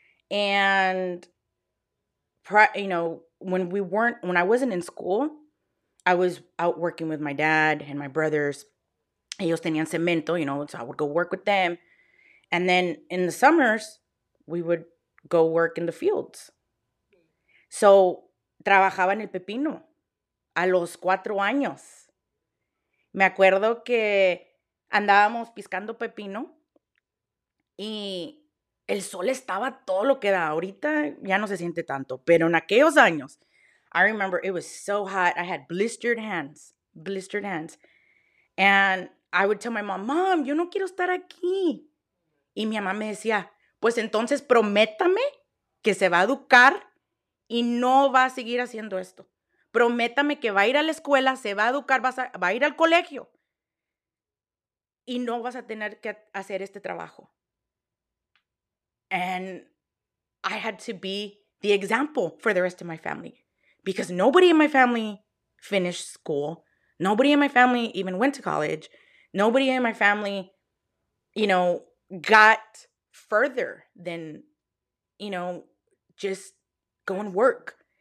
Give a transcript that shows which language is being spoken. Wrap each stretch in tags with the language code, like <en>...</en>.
<en>And, you know, when I wasn't in school, I was out working with my dad and my brothers. Ellos tenían cemento, you know, so I would go work with them. And then in the summers, we would go work in the fields.</en> <es>So, trabajaba en el pepino a los 4 años. Me acuerdo que andábamos piscando pepino y el sol estaba todo lo que da.</es> <en>Ahorita ya no se siente tanto, pero en aquellos años, I remember it was so hot. I had blistered hands. blistered hands. And I would tell my mom, Mom, yo no quiero estar aquí.</en> <es>Y mi mamá me decía, pues entonces prométame que se va a educar y no va a seguir haciendo esto. Prométame que va a ir a la escuela, se va a educar, va a ir al colegio. Y no vas a tener que hacer este trabajo.</es> <en>And I had to be the example for the rest of my family. Because nobody in my family finished school. Nobody in my family even went to college. Nobody in my family, you know, got further than, you know, just go and work.</en>